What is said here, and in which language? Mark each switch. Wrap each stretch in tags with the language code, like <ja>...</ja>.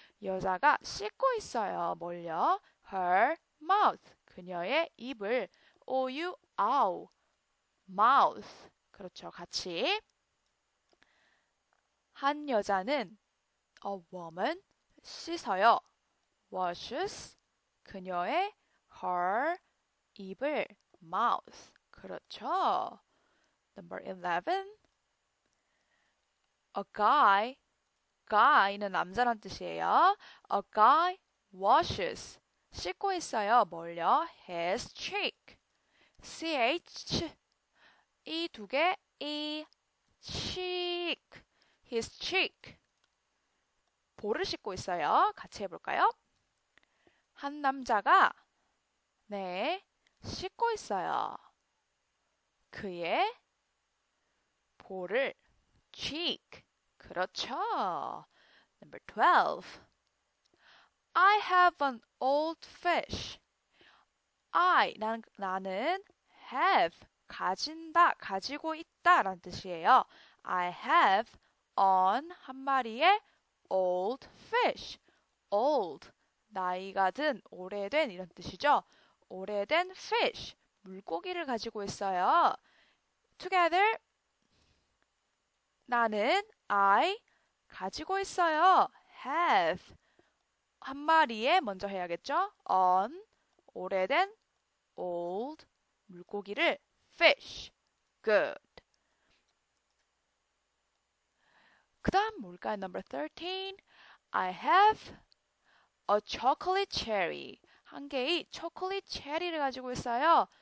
<ko>여자가 씻고 있어요. 뭘요?</ko> <en>her mouth.</en> <ko>그녀의 입을. O U O, mouth. 그렇죠, 같이. 한 여자는 a woman 씻어요.</ko> <en>washes 그녀의 her 입을 mouth. 그렇죠. Number 11. A guy.</en> <ko>guy는 남자란 뜻이에요.</ko> <en>A guy washes</en> <ko>씻고 있어요.</ko> <en>뭘요? his cheek.</en> <ko>CH 이두개 E cheek</ko> <en>his cheek</en> <ko>볼을 씻고 있어요. 같이 해볼까요? 한 남자가 네 씻고 있어요. 그의 볼을 cheek 그렇죠.</ko> <en>Number 12. I have an old fish.</en> <ko>나는 have, 가진다, 가지고 있다 라는 뜻이에요.</ko> <en>I have on</en> <ko>한 마리의</ko> <en>old fish.</en> <ko>old, 나이가 든, 오래된 이런 뜻이죠. 오래된 fish, 물고기를 가지고 있어요. together, 나는 I 가지고 있어요. have 한 마리의 먼저 해야겠죠?</ko> <en>on, 오래된 old 물고기를 fish. good.</en> <ko>그다음 뭘까요? number 13.</ko> <en>I have a chocolate cherry.</en> <ko>한 개의 초콜릿 체리를 가지고 있어요.</ko>